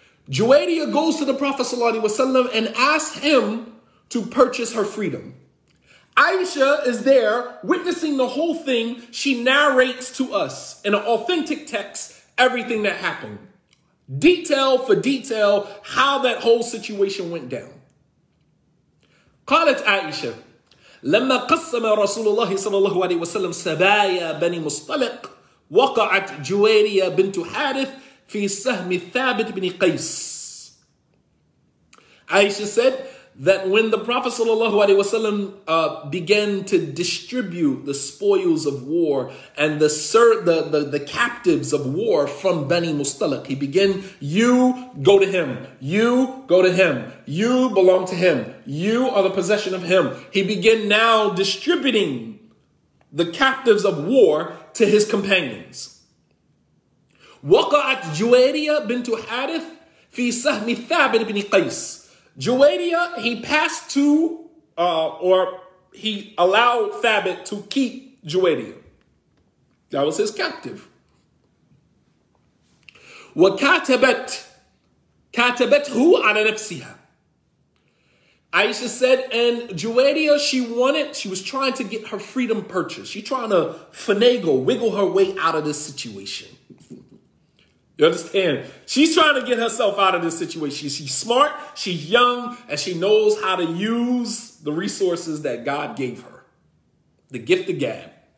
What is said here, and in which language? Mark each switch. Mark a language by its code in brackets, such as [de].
[en] Juwayriya goes to the Prophet ﷺ and asks him to purchase her freedom. Aisha is there witnessing the whole thing. She narrates to us in an authentic text everything that happened. Detail for detail how that whole situation went down. [ar] قالت Aisha, لما قسم رسول الله صلى الله عليه وسلم سبايا بني مصطلق وقعت جويرية بنت حارث في سهم ثابت بن قيس. [en] Aisha said, that when the Prophet sallallahu alaihi wasallam began to distribute the spoils of war and the captives of war from Bani Mustalik, he began, you go to him, you go to him, you belong to him, you are the possession of him. He began now distributing the captives of war to his companions. [ar] وقعت جويرية بنت حارث في سهم ثابت بن قيس. [en] جويرية, he passed to, or he allowed ثابت to keep جويرية. That was his captive. [ar] وكاتبت, كاتبته على نفسها. [en] Aisha said, and Juwayria, she was trying to get her freedom purchased. She's trying to finagle, wiggle her way out of this situation. You understand? She's trying to get herself out of this situation. She's smart, she's young, and she knows how to use the resources that God gave her. The gift of gab.